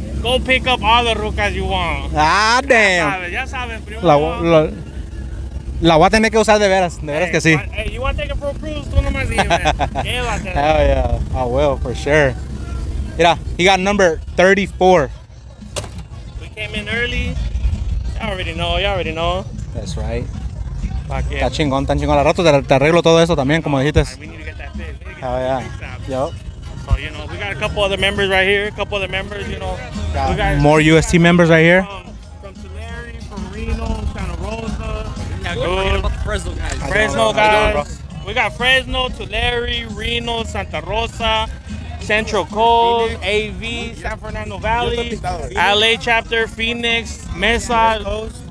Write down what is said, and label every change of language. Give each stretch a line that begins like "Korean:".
English: Go pick up all the rucas you want. Ah, damn.
Spanish: Ya sabes, primo. La voy a tener que usar de veras. De veras hey, que sí.
English: Hey, you want to take it for a cruise?
Spanish: Tú nomás dime. Llévatela.
English: Hell yeah. I will, for sure. Mira, he got number 34. We came in early. Y'all already know. That's right.
Spanish: Está chingón, tan chingón. Al rato te arreglo todo eso también, como dijiste.
English: We need to get that fit. Hell yeah. Yup. So, you know, we got a couple other members right here, a couple other members, you know. Yeah. We got more UST members right here. From Tulare, from Reno, Santa Rosa. Yeah, good. Don't forget about the Fresno guys. Fresno guys. We got Fresno, Tulare, Reno, Santa Rosa, Central Coast, AV, San Fernando Valley, LA chapter, Phoenix, Mesa, West Coast.